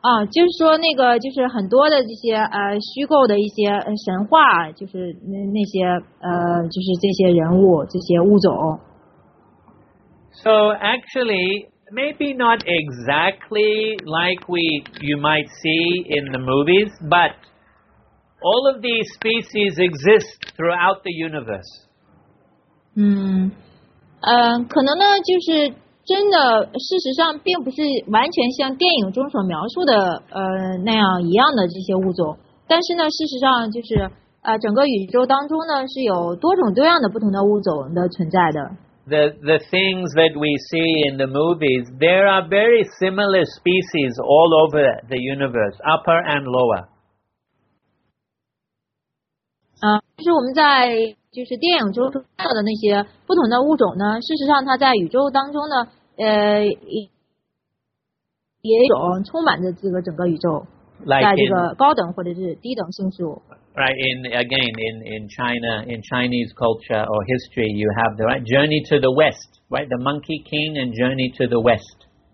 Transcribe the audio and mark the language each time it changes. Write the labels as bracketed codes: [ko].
[zh] 就是说那个就是很多的这些虚构的一些神话，就是那些就是这些人物这些物种。 [en] So actually, maybe not exactly like you might see in the movies, but all of these species exist throughout the universe. [zh] 可能呢，就是真的，事实上并不是完全像电影中所描述的那样一样的这些物种。但是呢，事实上就是整个宇宙当中呢是有多种多样的不同的物种的存在的。 [en] The things that we see in the movies, there are very similar species all over the universe, upper and lower. [zh] 就是我们在就是电影中看到的那些不同的物种呢，事实上它在宇宙当中呢，也有充满着这个整个宇宙， [en] like、 [zh] 在这个高等或者是低等星宿。 [en] Right, in China, in Chinese culture or history, you have the right Journey to the West, right? The Monkey King and Journey to the West.